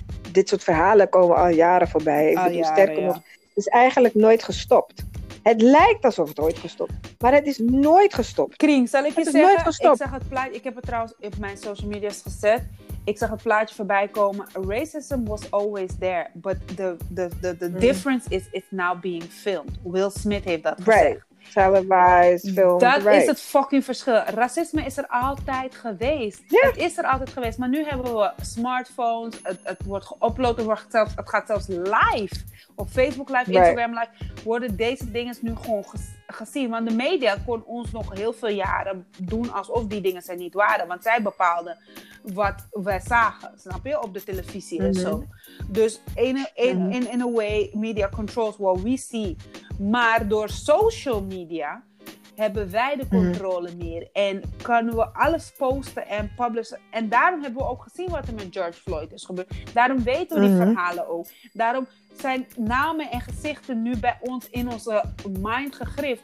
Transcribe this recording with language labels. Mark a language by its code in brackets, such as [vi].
[nl] Dit soort verhalen komen al jaren voorbij. Ik bedoel, sterker nog, het is eigenlijk nooit gestopt. Het lijkt alsof het ooit gestopt, maar het is nooit gestopt. Kring, zal ik je zeggen? Nooit gestopt. Ik zag het plaatje. Ik heb het trouwens op mijn social media's gezet. Ik zag het plaatje voorbij komen. [en] Racism was always there, but the difference is it's now being filmed. [nl] Will Smith heeft dat gezegd. [en] Right. Televised, filmed. [nl] Dat [en] right. [nl] is het fucking verschil. Racisme is er altijd geweest. [en] Yeah. [nl] Het is er altijd geweest. Maar nu hebben we smartphones. Het wordt geüpload. Het gaat zelfs live. Op Facebook live, right. Instagram live. Worden deze dingen nu gewoon gezien. Want de media kon ons nog heel veel jaren doen alsof die dingen zijn niet waren. Want zij bepaalden wat wij zagen. Snap je? Op de televisie mm-hmm. en zo. [en] Dus in a way, media controls what we see. [nl] Maar door social media hebben wij de controle meer. En kunnen we alles posten en publishen. En daarom hebben we ook gezien wat er met George Floyd is gebeurd. Daarom weten we die verhalen ook. Daarom zijn namen en gezichten nu bij ons in onze mind gegrift.